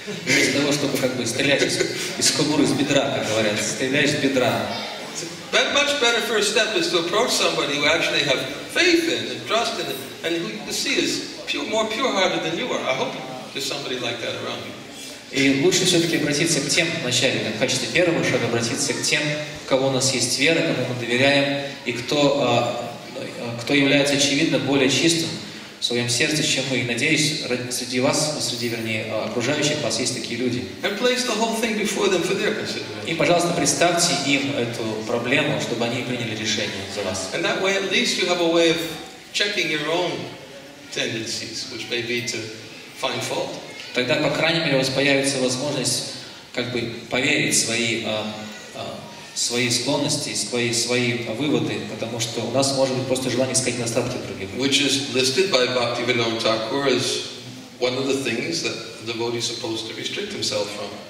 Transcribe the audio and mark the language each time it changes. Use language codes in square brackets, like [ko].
[ru] Вместо того, чтобы как бы стрелять из кобуры, из бедра, как говорят, стреляешь с бедра. [en] That much better first step is to approach somebody who actually have faith in and trust in and who you see is pure, more pure-hearted than you are. I hope there's somebody like that around you. [ru] И лучше все-таки обратиться к тем вначале, в качестве первого шага, обратиться к тем, у кого у нас есть вера, кому мы доверяем, и кто является очевидно более чистым в своем сердце, чем мы. И, надеюсь, среди вас, среди, вернее, окружающих вас есть такие люди. [en] And place the whole thing before them for their consideration. [ru] И, пожалуйста, представьте им эту проблему, чтобы они приняли решение за вас. [en] And that way, at least you have a way of checking your own tendencies, which may be to find fault. [ru] Тогда, по крайней мере, у вас появится возможность как бы поверить свои свои склонности, свои выводы, потому что у нас может быть просто желание искать недостатки других. [en] Which is listed by Bhaktivinoda Thakur as one of the things that the devotee is supposed to restrict himself from.